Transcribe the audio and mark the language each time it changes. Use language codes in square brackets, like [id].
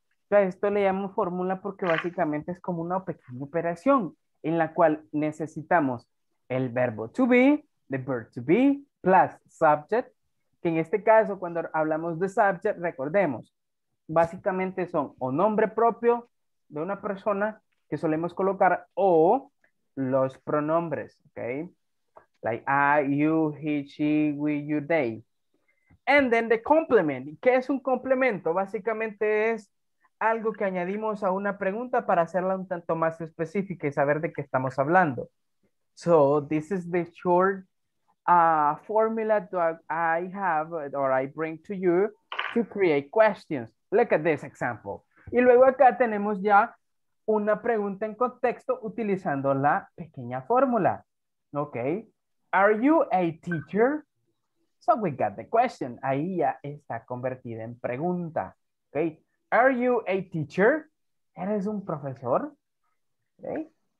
[es] A esto le llamo fórmula porque básicamente es como una pequeña operación en la cual necesitamos el verbo to be, [en] the verb to be, [es] plus subject, que en este caso cuando hablamos de subject, recordemos, básicamente son o nombre propio de una persona que solemos colocar o los pronombres, ok, [en] like I, you, he, she, we, you, they, and then the complement. [es] ¿Qué es un complemento? Básicamente es algo que añadimos a una pregunta para hacerla un tanto más específica y saber de qué estamos hablando. [en] So this is the short formula that I have or I bring to you to create questions. Look at this example. [es] Y luego acá tenemos ya una pregunta en contexto utilizando la pequeña fórmula. [en] Ok. Are you a teacher? So we got the question. [es] Ahí ya está convertida en pregunta. Ok. [en] Are you a teacher? [es] ¿Eres un profesor? [en] Ok.